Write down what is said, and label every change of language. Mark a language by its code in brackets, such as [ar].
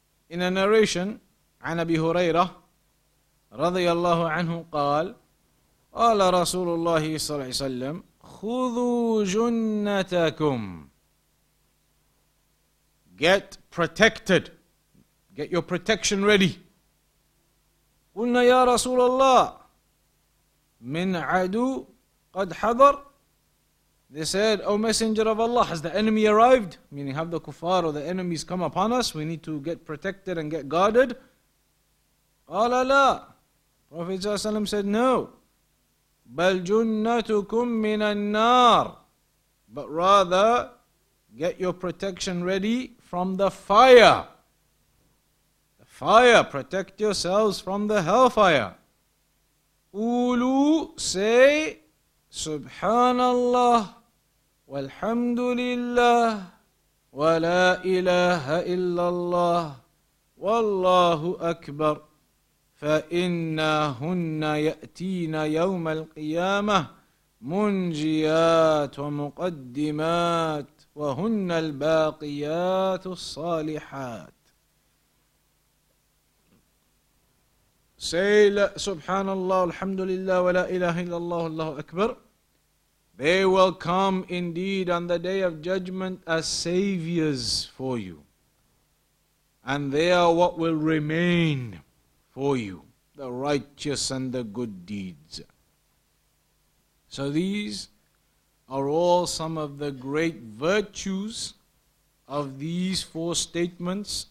[en] In a narration, [ar] عن أبي هريرة رضي الله عنه قال قال رسول الله صلى الله عليه وسلم خذوا جنتكم. [en] Get protected. Get your protection ready. [ar] قلنا يا رسول الله من عدو قد حضر. [en] They said, O Messenger of Allah, has the enemy arrived? Meaning, have the kuffar or the enemies come upon us? We need to get protected and get guarded. [ar] قال لا. [en] Prophet ﷺ said, no. [ar] بَلْ جُنَّتُكُمْ مِنَ النَّارِ. [en] But rather, get your protection ready from the fire. The fire, protect yourselves from the hellfire. [ar] Ulu, say, Subhanallah, walhamdulillah, wa la ilaha illallah, wallahu akbar. فَإِنَّهُنَّ يَأْتِينَ يَوْمَ الْقِيَامَةِ مُنْجِيَاتُ وَمُقَدِّمَاتُ وَهُنَّ الْبَاقِيَاتُ الصَّالِحَاتُ. [en] Say, [ar] سبحان الله الحمد لله ولا إله إلا الله الله أكبر. [en] They will come indeed on the day of judgment as saviors for you. And they are what will remain for you, the righteous and the good deeds. So these are all some of the great virtues of these four statements.